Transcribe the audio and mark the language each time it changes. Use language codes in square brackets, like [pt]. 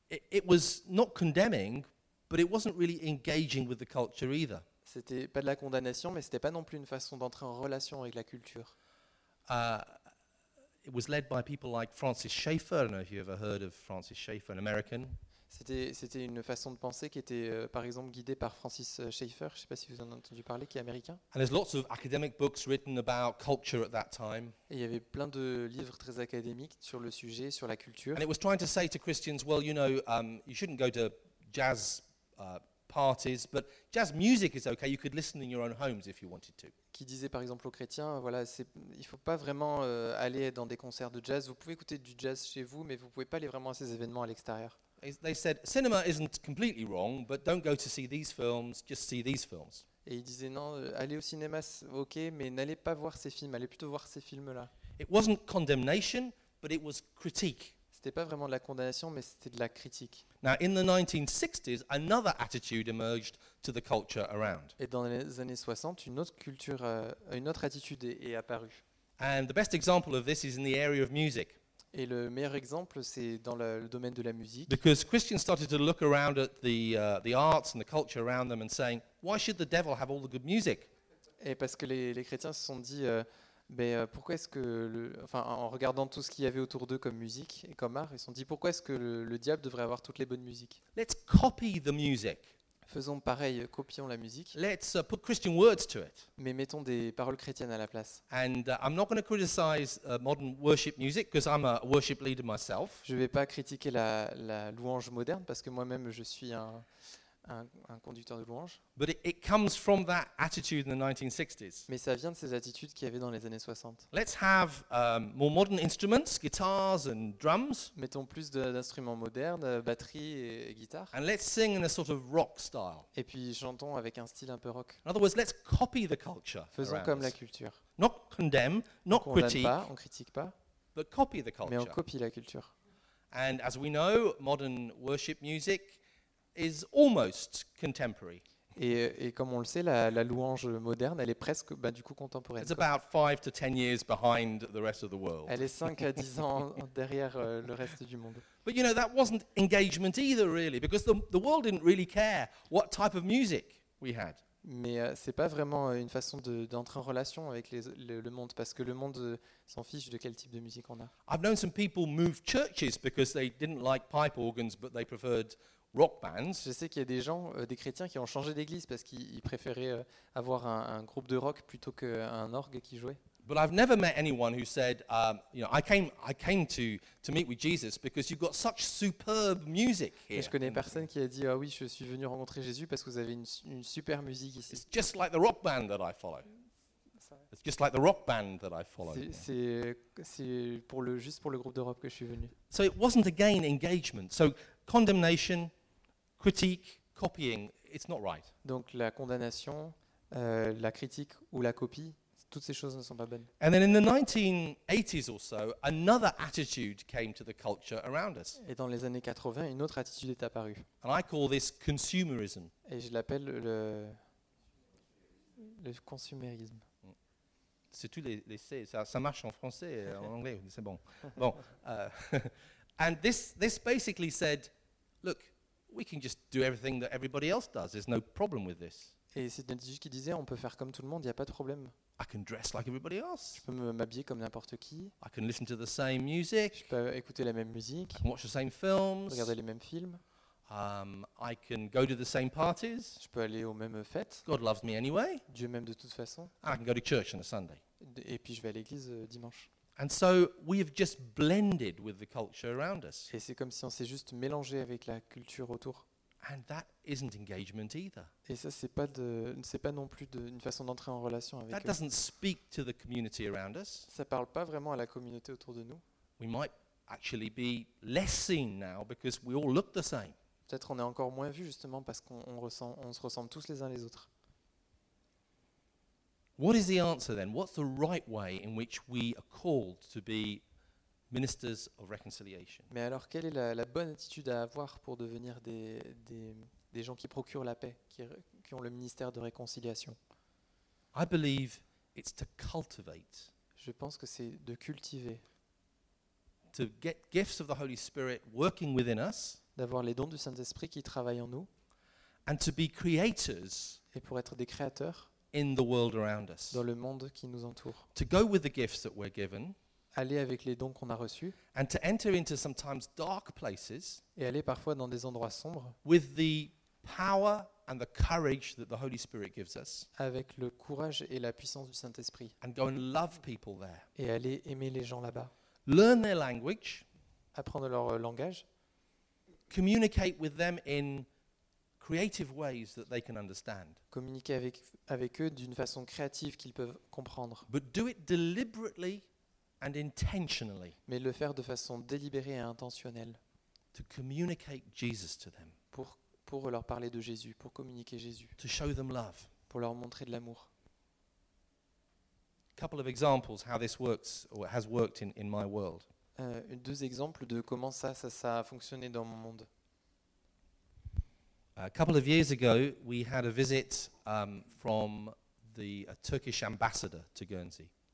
[en] It was not condemning, but it wasn't really engaging with the culture either. [fr] C'était pas de la condamnation, mais c'était pas non plus une façon d'entrer en relation avec la culture. [en] It was led by people like Francis Schaeffer. I don't know if you ever heard of Francis Schaeffer, an American. [fr] C'était une façon de penser qui était, par exemple, guidée par Francis Schaeffer. Je ne sais pas si vous en avez entendu parler, qui est américain. [en] And there's lots of academic books written about culture at that time. [fr] Et il y avait plein de livres très académiques sur le sujet, sur la culture. [en] And it was trying to say to Christians, well, you know, you shouldn't go to jazz parties, but jazz music is okay. You could listen in your own homes if you wanted to. [fr] Qui disait par exemple aux chrétiens, voilà, il faut pas vraiment aller dans des concerts de jazz. Vous pouvez écouter du jazz chez vous, mais vous pouvez pas aller vraiment à ces événements à l'extérieur. [en] They said cinema isn't completely wrong, but don't go to see these films. Just see these films. [fr] Et ils disaient non, aller au cinéma, ok, mais n'allez pas voir ces films. Allez plutôt voir ces films-là. [en] It wasn't condemnation, but it was critique. [fr] C'était pas vraiment de la condamnation, mais c'était de la critique. [en] Now, in the 1960s, another attitude emerged to the culture around. [fr] Et dans les années 60, une autre culture, une autre attitude est apparue. [en] And the best example of this is in the area of music. [fr] Et le meilleur exemple, c'est dans le domaine de la musique. [en] Because Christians started to look around at the arts and the culture around them and saying, why should the devil have all the good music? [fr] Et parce que les chrétiens se sont dit, pourquoi est-ce que, en regardant tout ce qu'il y avait autour d'eux comme musique et comme art, ils se sont dit, pourquoi est-ce que le diable devrait avoir toutes les bonnes musiques? [en] Let's copy the music. [fr] Faisons pareil, copions la musique. [en] Let's put Christian words to it. [fr] Mais mettons des paroles chrétiennes à la place. [en] And I'm not going to criticize modern worship music because I'm a worship leader myself. [fr] Je vais pas critiquer la louange moderne parce que moi-même je suis un conducteur de louange. [en] But it comes from that attitude in the 1960s. [fr] Mais ça vient de ces attitudes qu'il y avait dans les années 60. [en] Let's have more modern instruments, guitars and drums. [fr] Mettons plus d'instruments modernes, batterie et guitare. [en] And let's sing in a sort of rock style. [fr] Et puis chantons avec un style un peu rock. [en] In other words, let's copy the culture. [fr] Faisons comme la culture. [en] Not condemn, not critique. [fr] On critique pas. [en] But copy the culture. [fr] Mais on copie la culture. [en] And as we know, modern worship music is almost contemporary. [fr] Et comme on le sait, la louange moderne, elle est presque du coup contemporaine. [en] It's about 5 to 10 years behind the rest of the world. [fr] Elle est 5 à 10 ans derrière le reste du monde. [en] But you know, that wasn't engagement either really because the world didn't really care what type of music we had. [fr] Mais c'est pas vraiment une façon d'entrer en relation avec le monde parce que le monde s'en fiche de quel type de musique on a. [en] I've known some people move churches because they didn't like pipe organs but they preferred rock bands. [fr] Je sais qu'il y a des gens, des chrétiens qui ont changé d'église parce qu'ils préféraient avoir un groupe de rock plutôt qu'un orgue qui jouait. [en] But I've never met anyone who said, I came to meet with Jesus because you've got such superb music here. [fr] Je connais personne qui a dit, ah oui, je suis venu rencontrer Jésus parce que vous avez une super musique ici. [en] It's just like the rock band that I follow. It's just like the rock band that I follow. [fr] C'est pour le juste pour le groupe de rock que je suis venu. [en] So it wasn't again engagement. So condemnation, critique, copying, it's not right. [fr] Donc la condamnation, la critique ou la copie. Toutes ces choses ne sont pas bonnes. [en] And then in the 1980s or so, another attitude came to the culture around us. [fr] Et dans les années 80, une autre attitude est apparue. [en] And I call this consumerism. [fr] Et je l'appelle le consumérisme. C'est tous les C, ça marche en français, en anglais, c'est bon. Bon. [en] And this basically said, look, we can just do everything that everybody else does. There's no problem with this. [fr] Et c'est une attitude qui disait, on peut faire comme tout le monde, il n'y a pas de problème. [en] I can dress like everybody else. [fr] Je peux m'habiller comme n'importe qui. [en] I can listen to the same music. [fr] Je peux écouter la même musique. [en] I can watch the same films. [fr] Regarder les mêmes films. [en] I can go to the same parties. [fr] Je peux aller aux mêmes fêtes. [en] God loves me anyway. [fr] Dieu m'aime de toute façon. [en] I can go to church on a Sunday. [fr] Et puis je vais à l'église dimanche. [en] And so we have just blended with the culture around us. [fr] Et c'est comme si on s'est juste mélangé avec la culture autour. [en] And that isn't engagement either. [fr] Et ça, c'est pas non plus une façon d'entrer en relation avec. [en] That doesn't speak to the community around us. [fr] Ça parle pas vraiment à la communauté autour de nous. [en] We might actually be less seen now because we all look the same. [fr] Peut-être on est encore moins vu justement parce qu'on se ressemble tous les uns les autres. [en] What is the answer then? What's the right way in which we are called to be ministers of reconciliation? [fr] Mais alors, quelle est la bonne attitude à avoir pour devenir des gens qui procurent la paix, qui ont le ministère de réconciliation? [en] I believe it's to cultivate. [fr] Je pense que c'est de cultiver. [en] To get gifts of the Holy Spirit working within us. [fr] D'avoir les dons du Saint-Esprit qui travaillent en nous. [en] And to be creators. [fr] Et pour être des créateurs. [en] In the world around us. [fr] Dans le monde qui nous entoure. [en] To go with the gifts that we're given. [fr] Aller avec les dons qu'on a reçus. [en] And to enter into sometimes dark places. [fr] Et aller parfois dans des endroits sombres. [en] With the power and the courage that the Holy Spirit gives us. [fr] Avec le courage et la puissance du Saint-Esprit. [en] And go and love people there. [fr] Et aller aimer les gens là-bas. [en] Learn their language. [fr] Apprendre leur langage. [en] Communicate with them in creative ways that they can understand. [fr] Communiquer avec eux d'une façon créative qu'ils peuvent comprendre. [en] But do it deliberately and intentionally. [fr] Mais le faire de façon délibérée et intentionnelle. [en] To communicate Jesus to them. [fr] Pour leur parler de Jésus, pour communiquer Jésus. [en] To show them love. [fr] Pour leur montrer de l'amour. [en] A couple of examples how this works or has worked in my world. [fr] Deux exemples de comment ça a fonctionné dans mon monde. [en] A couple of years ago, we had a visit from the Turkish ambassador to Guernsey.